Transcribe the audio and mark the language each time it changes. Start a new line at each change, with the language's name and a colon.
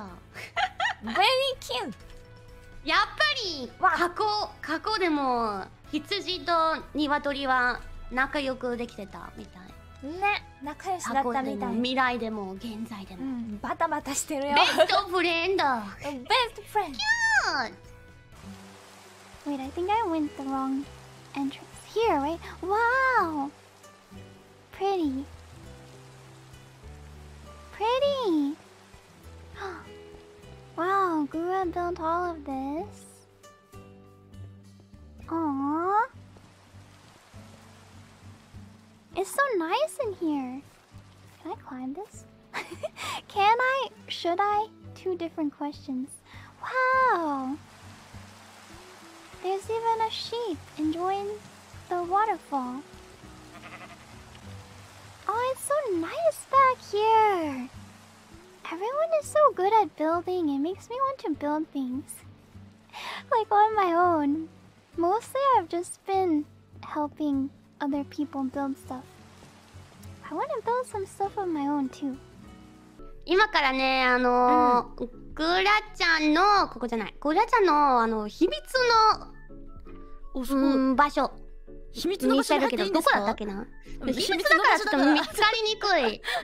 English: Very cute。
Japanese: やっぱり過去でも羊と鶏は仲良くできてたみたい。ね、仲良しだったみたい。未来でも現在でも、うん、バタバタしてるよ。
English: ベストフレンド。ベストフレンド。 Cute。 Wait, I think I went the wrong entrance here, right? Wow, pretty. Pretty! Wow, Gura built all of this. Aww! It's so nice in here. Can I climb this? Can I? Should I? Two different questions. Wow! There's even a sheep enjoying the waterfall. Oh, it's so nice back here! Everyone is so good at building, it makes me want to build things. Like on my own. Mostly I've just been helping other people build stuff. I want to build some stuff on my own too.
Japanese: 今からね、グラちゃんの、ここじゃない、グラちゃんの、秘密の、場所。秘密の場所に入っていいんですか？どこだったっけな？秘密だからちょっと見つかりにくい。